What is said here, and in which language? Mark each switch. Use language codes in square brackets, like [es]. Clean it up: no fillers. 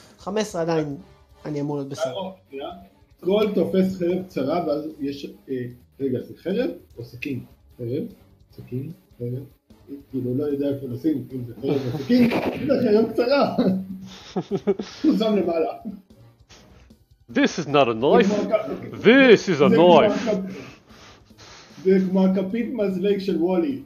[he] 15 עדיין אני אמור להיות בסדר. קול תופס חרב קצרה, ואז יש... רגע, זה חרב או סכין? חרב, סכין, חרב, כאילו לא יודע איפה נשים, אם זה חרב או סכין, זה חרב קצרה. הוא שם למעלה. [en] This is not a knife, this is a knife. [he] זה כמו הכפית מזלג של וולי.